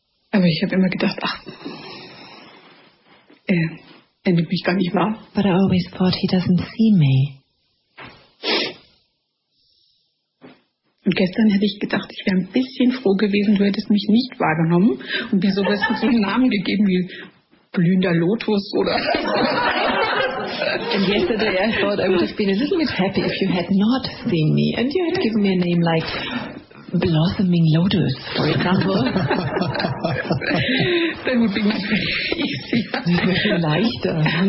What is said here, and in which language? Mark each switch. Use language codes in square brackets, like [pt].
[de] Aber ich habe immer gedacht, ach, er nimmt mich gar nicht wahr. [en] But I always thought he doesn't see me. [de] Und gestern hätte ich gedacht, ich wäre ein bisschen froh gewesen, du hättest mich nicht wahrgenommen und mir sowas so einen Namen gegeben wie blühender Lotus oder [en] And yesterday I thought I would have been a little bit happy if you had not seen me. And you had given me a name like Blossoming Lotus, for example. That would be much easier. [de] Das wäre leichter.